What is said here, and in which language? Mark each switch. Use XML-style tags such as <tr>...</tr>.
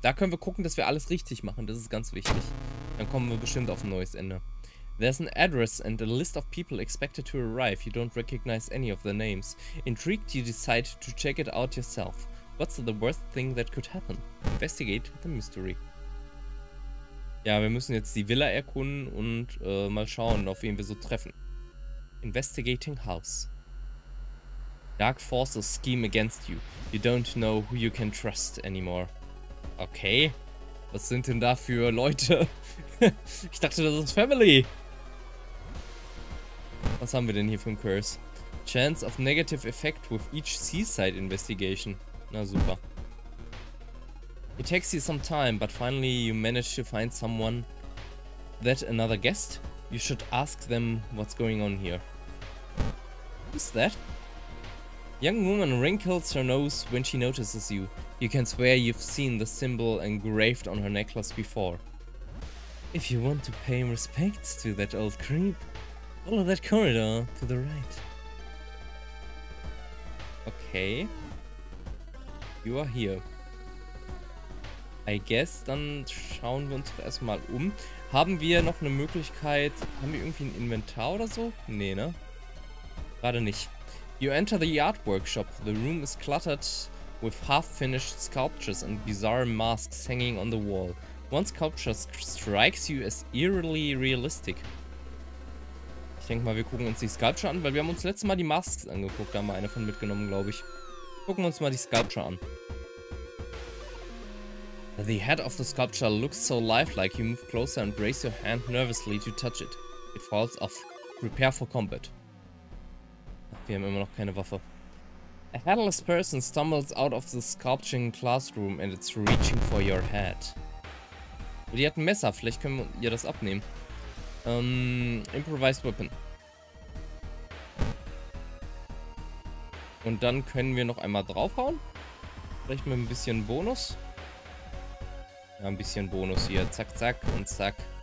<de>Da können wir gucken, dass wir alles richtig machen. Das ist ganz wichtig. Dann kommen wir bestimmt auf ein neues Ende.</de> <en>There's an address and a list of people expected to arrive. You don't recognize any of the names. Intrigued, you decide to check it out yourself. What's the worst thing that could happen? Investigate the mystery.</en> <de>Ja, wir müssen jetzt die Villa erkunden und mal schauen, auf wen wir so treffen.</de> <en>Investigating House. Dark Forces scheme against you. You don't know who you can trust anymore.</en> <de>Okay. Was sind denn da für Leute? Ich dachte, das ist Family. Was haben wir denn hier für ein Curse?</de> <en>Chance of negative effect with each seaside investigation.</en> <de>Na super.</de> <en>It takes you some time, but finally you manage to find someone. That another guest? You should ask them what's going on here. Who's that? Young woman wrinkles her nose when she notices you. You can swear you've seen the symbol engraved on her necklace before. If you want to pay respects to that old creep, follow that corridor to the right.</en> <de>Okay.</de> <en>You are here. I guess,</en> <de>dann schauen wir uns doch erstmal um. Haben wir noch eine Möglichkeit? Haben wir irgendwie ein Inventar oder so? Nee, ne? Gerade nicht.</de> <en>You enter the art workshop. The room is cluttered with half-finished sculptures and bizarre masks hanging on the wall. One sculpture strikes you as eerily realistic.</en> <de>Ich denke mal, wir gucken uns die Sculpture an, weil wir haben uns letztes Mal die Masks angeguckt. Da haben wir eine von mitgenommen, glaube ich. Gucken wir uns mal die Sculpture an.</de> <en>The head of the sculpture looks so lifelike, you move closer and brace your hand nervously to touch it. It falls off. Prepare for combat.</en> <de>Ach, wir haben immer noch keine Waffe.</de> <en>A headless person stumbles out of the sculpturing classroom and it's reaching for your head.</en> <de>Die hat ein Messer, vielleicht können wir ihr das abnehmen.</de> <en>Improvised weapon.</en> <de>Und dann können wir noch einmal draufhauen. Vielleicht mit ein bisschen Bonus. Ja, ein bisschen Bonus hier. Zack, zack und zack.</de>